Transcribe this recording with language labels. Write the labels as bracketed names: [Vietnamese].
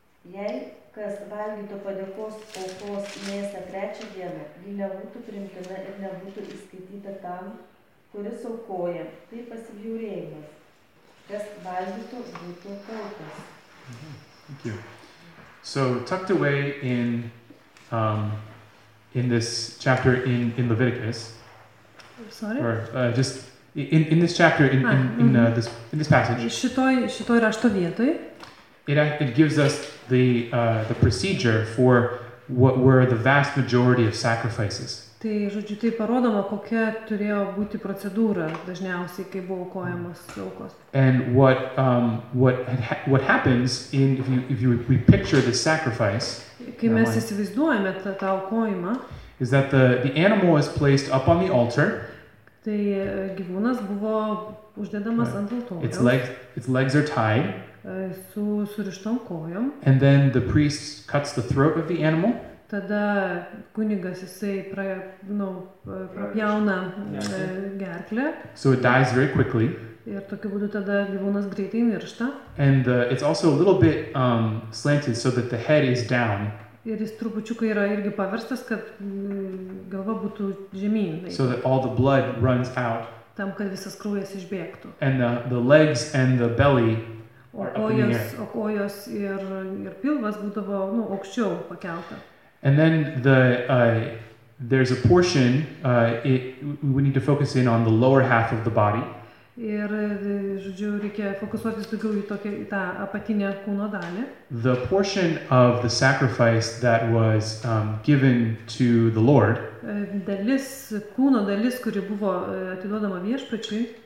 [Lithuanian] Jei kas valgytų padėkos aukos mėsą trečią dieną, ji nebūtų primtina ir nebūtų įskaityta tam, kuris aukoja. Tai pasibjaurėjimas. Kas valgytų, būtų kaltas. [English] Thank you. So, tucked away in this chapter in Leviticus. Sorry? Or just in this chapter, in this passage. [Lithuanian] Šitoj rašto vietoj. [English] It gives us the procedure for what were the vast majority of sacrifices. [Lithuanian] Tai, žodžiu, tai parodoma, kokia turėjo būti procedūra dažniausiai, kai buvo aukojamos aukos. [English] And what happens in if you we picture the sacrifice? [Lithuanian] Kai mes įsivaizduojame tą aukojimą, [English] is that the animal is placed up on the altar? [Lithuanian] Tai gyvūnas buvo uždedamas ant altoriaus. [English] Its legs are tied. [Lithuanian] Su surištom kojom. [English] And then the priest cuts the throat of the animal. [Lithuanian] Tada kunigas jisai prapjauna gerklę. [English] So it dies very quickly. [Lithuanian] Ir tokiu būdu tada gyvūnas greitai miršta. [English] And it's also a little bit slanted so that the head is down. [Lithuanian] Ir jis trupučiuką yra irgi paverstas, kad galva būtų žemyn. [English] So that all the blood runs out. [Lithuanian] Tam, kad visas kraujas išbėgtų. [English] And the legs and the belly. [Lithuanian] O kojos ir pilvas būdavo, nu, aukščiau pakelta. [English] And then there's a portion we need to focus in on the lower half of the body. [Lithuanian] Ir žodžiu, reikia fokusuotis daugiau į tą apatinę kūno dalį. [English] The portion of the sacrifice that was given to the Lord. [Lithuanian] Dalis kūno dalis, kuri buvo atiduodama viešpačiui.